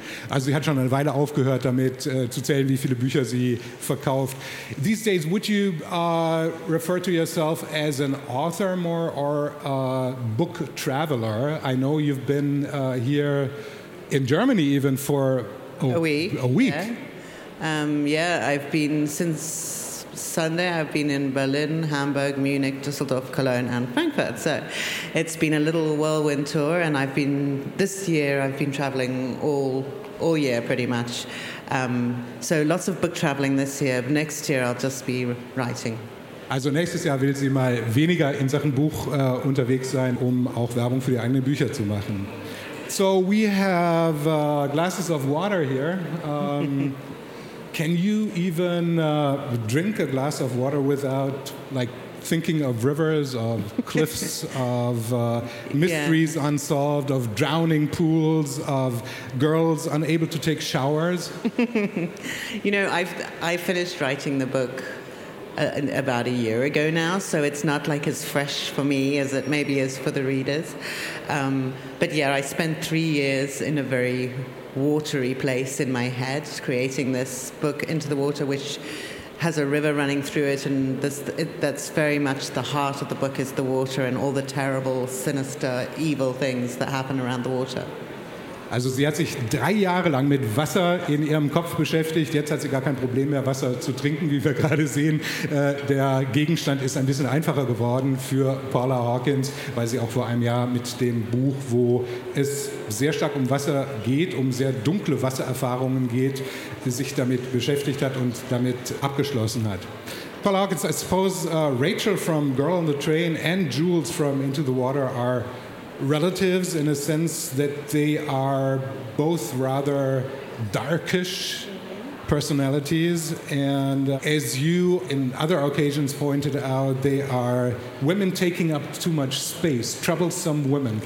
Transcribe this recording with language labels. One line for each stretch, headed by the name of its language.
German: Also, sie hat schon eine Weile aufgehört damit zu zählen, wie viele Bücher sie verkauft.
English: These days, would you refer to yourself as an author more or a book traveler? I know you've been here in Germany even for a week. Yeah. I've been since Sunday. I've been in Berlin, Hamburg, Munich, Düsseldorf, Cologne, and Frankfurt. So it's been a little whirlwind tour, and this year I've been traveling all year pretty much. So lots of book traveling this year. Next year I'll just be writing.
German: Also nächstes Jahr will sie mal weniger in Sachen Buch unterwegs sein, um auch Werbung für die eigenen Bücher zu machen.
English: So we have glasses of water here. Can you even drink a glass of water without, like, thinking of rivers, of cliffs, of mysteries yeah. unsolved, of drowning pools, of girls unable to take showers? You know, I finished writing the book about a year ago now, so it's not like as fresh for me as it maybe is for the readers. But yeah, I spent 3 years in a very watery place in my head, creating this book, Into the Water, which has a river running through it, and that's very much the heart of the book is the water and all the terrible, sinister, evil things that happen around the water.
German: Also sie hat sich 3 Jahre lang mit Wasser in ihrem Kopf beschäftigt. Jetzt hat sie gar kein Problem mehr, Wasser zu trinken, wie wir gerade sehen. Der Gegenstand ist ein bisschen einfacher geworden für Paula Hawkins, weil sie auch vor einem Jahr mit dem Buch, wo es sehr stark um Wasser geht, um sehr dunkle Wassererfahrungen geht, sich damit beschäftigt hat und damit abgeschlossen hat.
English: Paula Hawkins, I suppose Rachel from Girl on the Train and Jules from Into the Water are relatives in a sense that they are both rather darkish personalities, and as you in other occasions pointed out, they are women taking up too much space, troublesome women.